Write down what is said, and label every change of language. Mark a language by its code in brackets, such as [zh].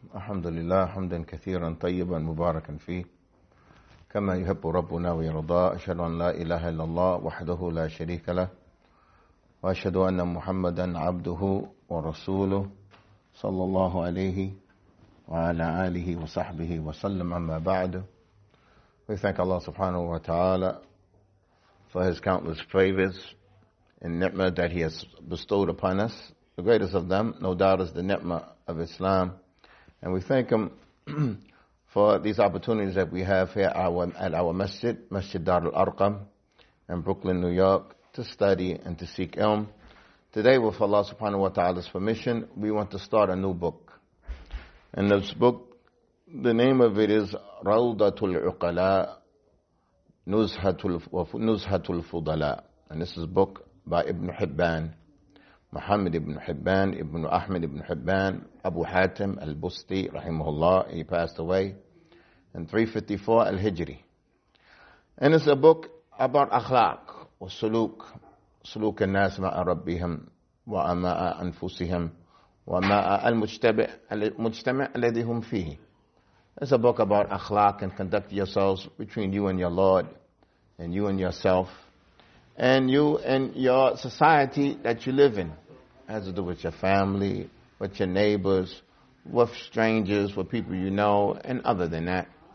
[ar] الحمد لله حمدا كثيرا طيبا مباركا فيه كما يحب ربنا ويرضى. أشهد أن لا إله إلا الله وحده لا شريك له وأشهد أن محمدا عبده ورسوله صلى الله عليه وعلى آله وصحبه وسلم. أما بعد, [en] we thank Allah subhanahu wa ta'ala for his countless favors and ni'mah that he has bestowed upon us. The greatest of them, no doubt, is the ni'mah of Islam. And we thank him for these opportunities that we have here at our masjid, Masjid Darul-Arqam in Brooklyn, New York, to study and to seek ilm. Today, with Allah subhanahu wa ta'ala's permission, we want to start a new book. And this book, the name of it is روضة العقلاء ونزهة الفضلاء. And this is a book by Ibn Hibban, Muhammad ibn Hibban, Ibn Ahmed ibn Hibban, Abu Hatim al-Busti, rahimahullah. He passed away in 354 al-Hijri. And it's a book about akhlaq, [ar] وسلوك, سلوك الناس مع ربهم وأماء أنفسهم وما المجتمع الذي هم فيه. [en] It's a book about akhlaq and conduct yourselves between you and your Lord and you and yourself and you and your society that you live in. It has to do with your family, with your neighbors, with strangers, with people you know, and other than that.